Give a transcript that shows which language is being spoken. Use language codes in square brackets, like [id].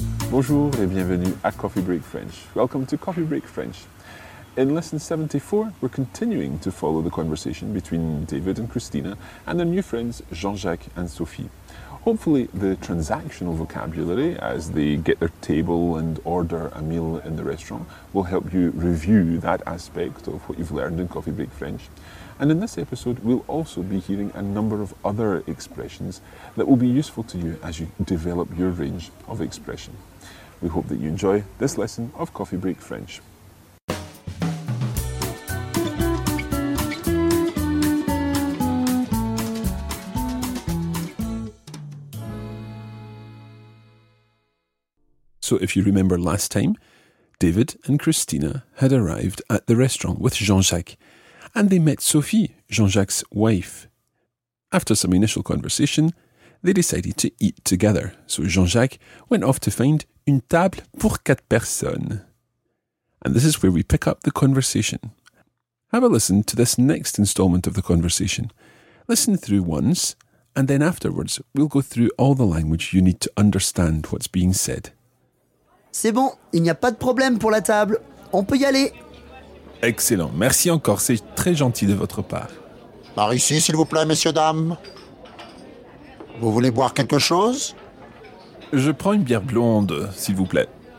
[fr] Bonjour et bienvenue à Coffee Break French. [en] Welcome to Coffee Break French. In lesson 74, we're continuing to follow the conversation between David and Christina and their new friends Jean-Jacques and Sophie. Hopefully, the transactional vocabulary as they get their table and order a meal in the restaurant will help you review that aspect of what you've learned in Coffee Break French. And in this episode, we'll also be hearing a number of other expressions that will be useful to you as you develop your range of expression. We hope that you enjoy this lesson of Coffee Break French. So if you remember last time, David and Christina had arrived at the restaurant with Jean-Jacques and they met Sophie, Jean-Jacques's wife. After some initial conversation, they decided to eat together. So Jean-Jacques went off to find [fr] une table pour quatre personnes. [en] And this is where we pick up the conversation. Have a listen to this next installment of the conversation. Listen through once and then afterwards we'll go through all the language you need to understand what's being said. [fr] C'est bon, il n'y a pas de problème pour la table. On peut y aller. Excellent, merci encore, c'est très gentil de votre part. Par ici, s'il vous plaît, messieurs, dames. Vous voulez boire quelque chose? Je prends une bière blonde, s'il vous plaît.